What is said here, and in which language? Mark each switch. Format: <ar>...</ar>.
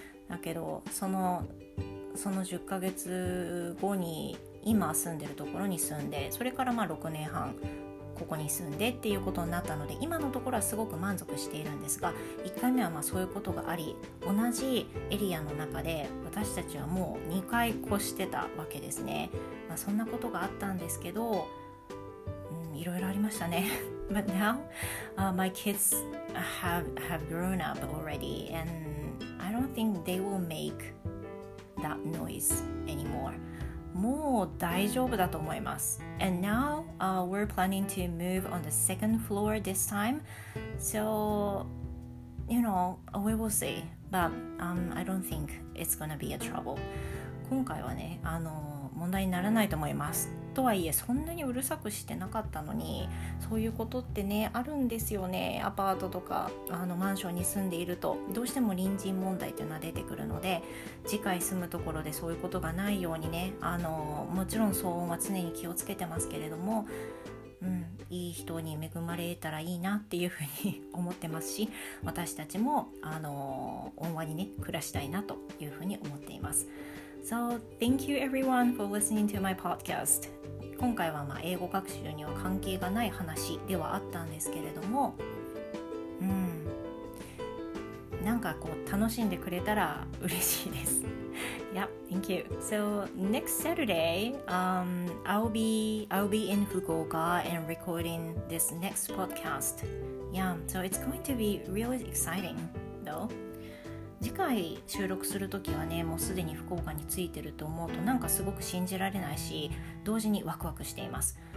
<ja>だけどその10ヶ月後に今住んでるところに住んで、それからまあ6年半ここに住んでっていうことになったので、今のところはすごく満足しているんですが、1回目はまあそういうことがあり、同じエリアの中で私たちはもう2回越してたわけですね、まあ、そんなことがあったんですけど、うん、いろいろありましたね。</ja> <en>But now、my kids have grown up already and I don't think they will make that noise anymore.</en> <ja>もう大丈夫だと思います。</ja> <en>And now, we're planning to move on the second floor this time. So, you know, we will see. But, I don't think it's gonna be a trouble.</en> <ja>今回はね、問題にならないと思います。とはいえ、そんなにうるさくしてなかったのに、そういうことってね、あるんですよね。アパートとか、マンションに住んでいると、どうしても隣人問題っていうのは出てくるので、次回住むところでそういうことがないようにね、もちろん騒音は常に気をつけてますけれども、うん、いい人に恵まれたらいいなっていうふうに思ってますし、私たちも、穏和にね、暮らしたいなというふうに思っています。</ja> <en>So, thank you everyone for listening to my podcast.</en> <ja>今回はまあ英語学習には関係がない話ではあったんですけれども、うん、なんかこう楽しんでくれたら嬉しいです。</ja> <en>Yep, thank you. So, next Saturday, I'll be in Fukuoka and recording this next podcast. Yeah, so it's going to be really exciting, though.</en> <ja>次回収録するときはね、もうすでに福岡に着いてると思うと、なんかすごく信じられないし、同時にワクワクしています。</ja>